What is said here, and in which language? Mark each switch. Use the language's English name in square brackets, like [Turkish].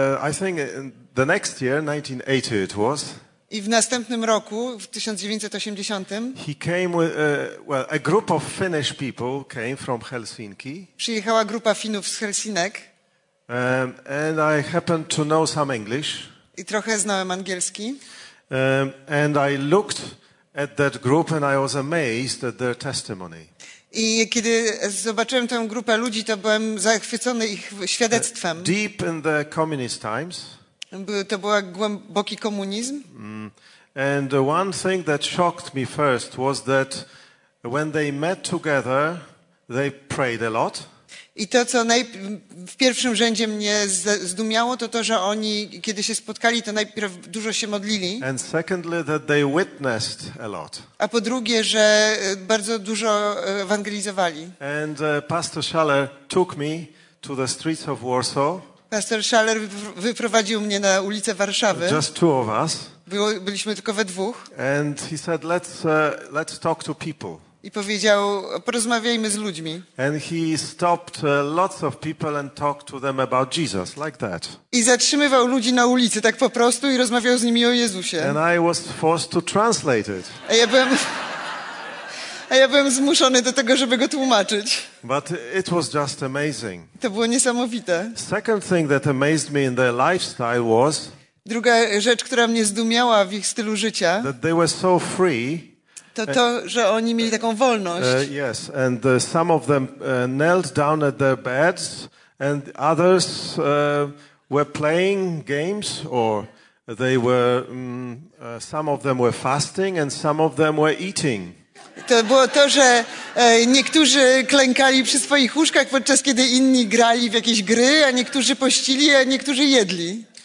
[English] I think the next year, 1980 it was. [Polish] I w następnym roku, w 1980, [English] he came with, well, a group of Finnish people came from Helsinki. [Polish] Przyjechała grupa Finów z Helsinek. [English] And I happened to know some English. [Polish] I trochę znałem angielski. [English] And I looked at that group and I was amazed at their testimony. [Polish] I kiedy zobaczyłem tę grupę ludzi, to byłem zachwycony ich świadectwem. [English] Deep in the communist times. [Polish] To był głęboki komunizm. [English] And one thing that shocked me first was that when they met together, they prayed a lot. [Polish] I to, co w pierwszym rzędzie mnie zdumiało, to, że oni, kiedy się spotkali, to najpierw dużo się modlili. [English] And secondly, that they witnessed a lot. [Polish] A po drugie, że bardzo dużo ewangelizowali. [English] And Pastor Schaller took me to the streets of Warsaw. [Polish] Pastor Schaller wyprowadził mnie na ulicę Warszawy. [English] Just two of us. [Polish] Byliśmy tylko we dwóch. [English] And he said, let's talk to people. [Polish] I powiedział, porozmawiajmy z ludźmi. [English] And he stopped lots of people and talked to them about Jesus, like that. [Polish] I zatrzymywał ludzi na ulicy tak po prostu i rozmawiał z nimi o Jezusie. [English] And I was forced to translate it. [Polish] A ja byłem zmuszony do tego, żeby go tłumaczyć. [English] But it was just amazing. [Polish] To było niesamowite. [English] Second thing that amazed me in their lifestyle was. [Polish] Druga rzecz, która mnie zdumiała w ich stylu życia. [English] That they were so free. [Polish] To, że oni mieli taką wolność. [English] Yes, and some of them knelt down at their beds, and others were playing games, or they were. Some of them were fasting, and some of them were eating. [Polish] To było to, że niektórzy klękali przy swoich łóżkach, podczas kiedy inni grali w jakieś gry, a niektórzy pościli, a niektórzy jedli.